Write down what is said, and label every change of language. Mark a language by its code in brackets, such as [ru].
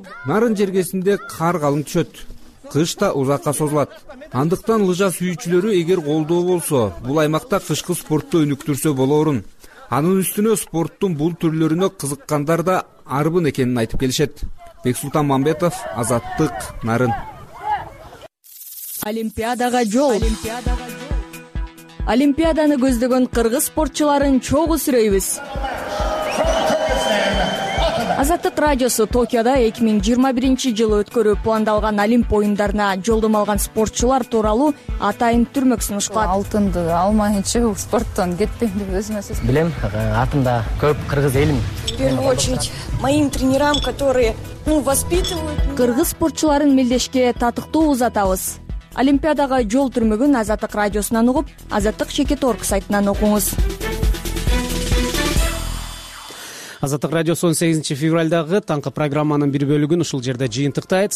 [ky] Нарын жергесинде кар калың түшөт. Кыш да узакка созулат. Андыктан лыжа сүйүүчүлөрү эгер колдоо болсо, бул аймакта кышкы спортту өнүктүрсө болоорун. Анын үстүнө спорттун бул түрлөрүнө кызыккандар да арбын экенин айтып келишет. Бексултан Мамбетов, Азаттык, Нарын. Олимпиадага жол. Олимпиаданы көздөгөн кыргыз спортчуларын чогуу сүрөйбүз. Азаттык радиосу Токиода 2021 жылы өткөрүү пландалган Олимп оюндарына жолдом алган спортчулар тууралуу атайын түрмөк сунуш кылат. Алтынды алмайынчы спорттон кетпейм деп өзүмө сөз. Билем, артымда көп кыргыз элим. [ru] В первую очередь, моим тренерам, которые воспитывают. [ky] Кыргыз спортчуларын милдешке татыктуу узатабыз. Олимпиадага жол түрмөгүн Азаттык радиосунан угуп, Азаттык чекит орг сайтынан окуңуз. Азаттык радиосу 18 февральдагы таңкы программанын бир бөлүгүн ушул жерде жыйынтыктайт.